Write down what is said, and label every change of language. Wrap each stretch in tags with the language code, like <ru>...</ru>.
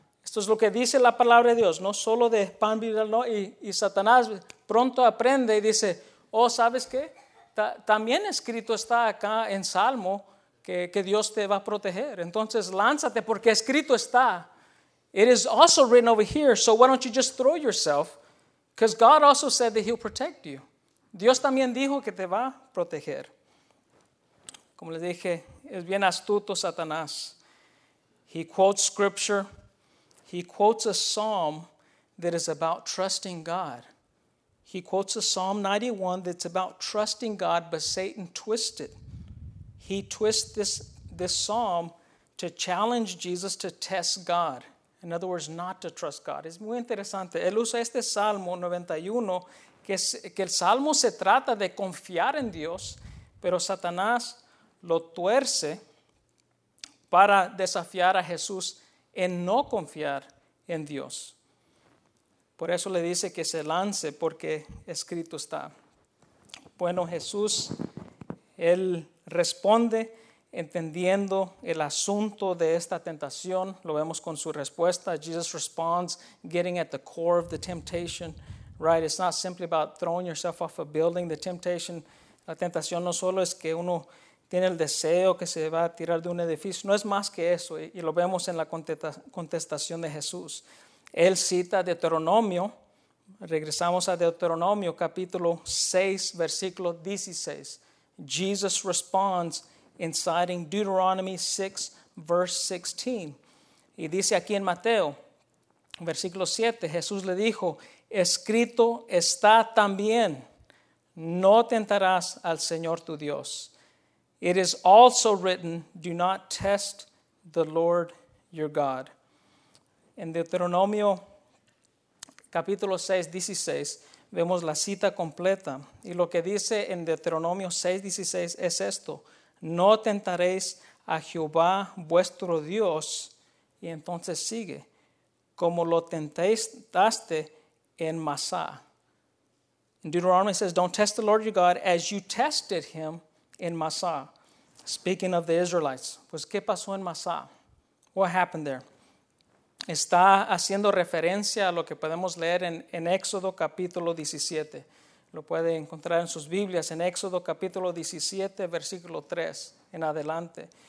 <es>Esto es lo que dice la palabra de Dios, no solo de pan vida, no. Y Satanás pronto aprende y dice, oh, ¿sabes qué? También escrito está acá en Salmo que Dios te va a proteger. Entonces, lánzate porque escrito está.</es> <en>It is also written over here, so why don't you just throw yourself? Because God also said that he'll protect you.</en> <es>Dios también dijo que te va a proteger. Como les dije, es bien astuto Satanás.</es> <en>He quotes scripture. He quotes a psalm that is about trusting God. He quotes a Psalm 91 that's about trusting God, but Satan twists it. He twists this psalm to challenge Jesus to test God. In other words, not to trust God.</en> <es>Es muy interesante. Él usa este Salmo 91, que el Salmo se trata de confiar en Dios, pero Satanás lo tuerce para desafiar a Jesús en no confiar en Dios. Por eso le dice que se lance, porque escrito está. Bueno, Jesús, él responde entendiendo el asunto de esta tentación. Lo vemos con su respuesta.</es> <en>Jesus responds, getting at the core of the temptation. Right? It's not simply about throwing yourself off a building. The temptation,</en> <es>la tentación no solo es que uno tiene el deseo que se va a tirar de un edificio. No es más que eso. Y lo vemos en la contestación de Jesús. Él cita Deuteronomio, regresamos a Deuteronomio, capítulo 6, versículo 16.</es> <en>Jesus responds in citing Deuteronomy 6, verse 16.</en> <es>Y dice aquí en Mateo, versículo 7, Jesús le dijo, escrito está también, no tentarás al Señor tu Dios.</es> <en>It is also written, do not test the Lord your God.</en> <es>En Deuteronomio capítulo 6, 16, vemos la cita completa. Y lo que dice en Deuteronomio 6, 16 es esto. No tentaréis a Jehová vuestro Dios. Y entonces sigue. Como lo tentaste en Masá.</es> <en>In Deuteronomy it says, don't test the Lord your God as you tested him in Masá. Speaking of the Israelites,</en> <es>pues ¿qué pasó en Masá?</es> <en>What happened there?</en> <es>Está haciendo referencia a lo que podemos leer en Éxodo capítulo 17. Lo puede encontrar en sus Biblias en Éxodo capítulo 17, versículo 3 en adelante.</es>